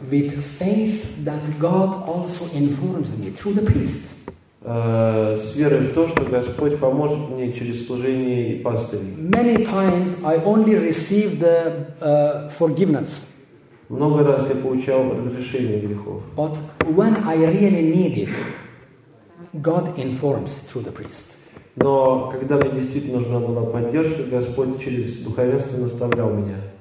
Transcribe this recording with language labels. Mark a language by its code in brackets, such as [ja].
[en] With faith that God also informs me through the priest. [ru] С верой в то, что Господь поможет мне через служение и пастырь. [en] Many times I only receive the forgiveness. [ru] Много раз я получал разрешение грехов. [en] But when I really need it, God informs through the priest. [ru] Но когда мне действительно нужна была поддержка, Господь через духовенство наставлял меня.